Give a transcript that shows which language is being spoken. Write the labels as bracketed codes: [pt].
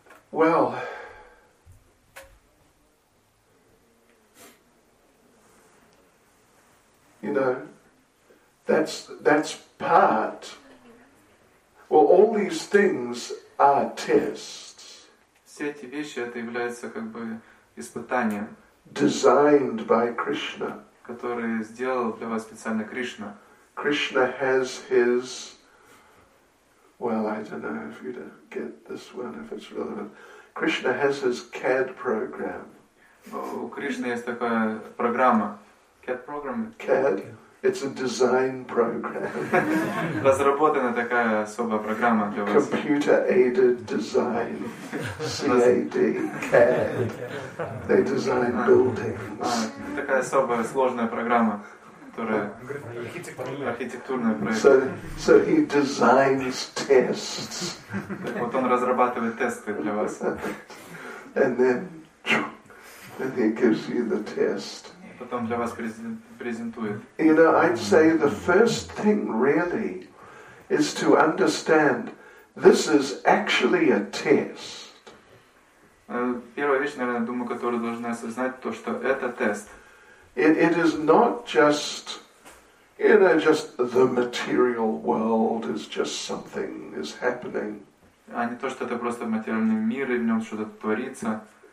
[en] Well, you know, that's part. Well, all these things are tests. [ru] Все эти вещи это является как бы испытанием. [en] Designed by Krishna. [ru] Который сделал для вас специально Кришна. [en] Krishna has his, well, I don't know if you get this one, if it's relevant. Krishna has his CAD program. [ru] У Кришны есть такая программа. [en] CAD program? CAD. It's a design program. [ru] Разработана такая особая программа для вас. [en] Computer aided design. CAD. CAD. They design buildings. [ru] Такая особая сложная программа. которая архитектурная проект. [en] So he designs tests. [ru] Вот он разрабатывает тесты для вас. [en] And then he gives you the test. [ru] Потом для вас презентует. [en] You know, I'd say the first thing really is to understand this is actually a test. [ru] Первая вещь, наверное, думаю, которую должны осознать, то, что это тест. [en] It is not just, you know, just the material world is just something is happening. [ru] А не то, что это просто материальный мир, и в нем что-то творится.